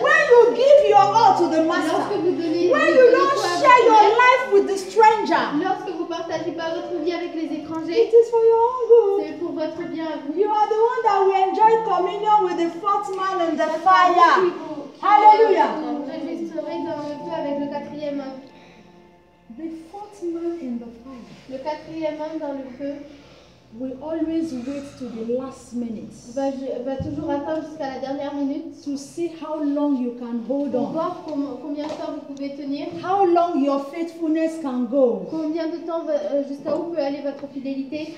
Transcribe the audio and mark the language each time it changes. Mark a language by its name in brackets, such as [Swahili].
[English] when you give your all to the master, [French] lorsque vous donnez [English] when you don't share your life with the stranger, [French] lorsque vous partagez pas votre vie avec les étrangers, [English] it is for your own good. [French] C'est pour votre bien. [English] You are the one that will enjoy communion with the fourth man in the fire. [French] Hallelujah. Avec le quatrième homme. [English] The fourth man in the fire. [French] Le quatrième homme dans le feu. [English] Will always wait to the last minute. [French] Va toujours attendre jusqu'à la dernière minute. [English] To see how long you can hold on. [French] Pour voir combien de temps vous pouvez tenir. [English] How long your faithfulness can go. [French] Combien de temps jusqu'à où peut aller votre fidélité.